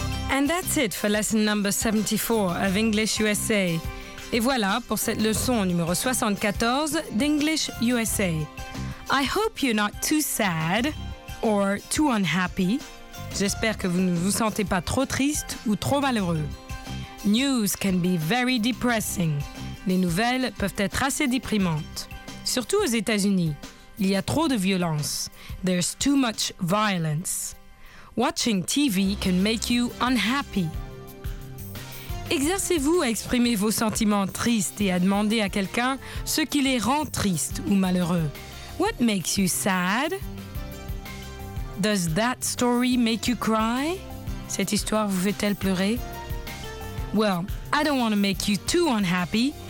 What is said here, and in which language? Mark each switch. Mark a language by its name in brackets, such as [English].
[English] And that's it for lesson number 74 of English USA. [French] Et voilà pour cette leçon numéro 74 d'English USA. [English] I hope you're not too sad or too unhappy. [French] J'espère que vous ne vous sentez pas trop triste ou trop malheureux. [English] News can be very depressing. [French] Les nouvelles peuvent être assez déprimantes. Surtout aux États-Unis, il y a trop de violence. [English] There's too much violence. Watching TV can make you unhappy. [French] Exercez-vous à exprimer vos sentiments tristes et à demander à quelqu'un ce qui les rend tristes ou malheureux. [English] What makes you sad? Does that story make you cry? [French] Cette histoire vous fait-elle pleurer? [English] Well, I don't want to make you too unhappy.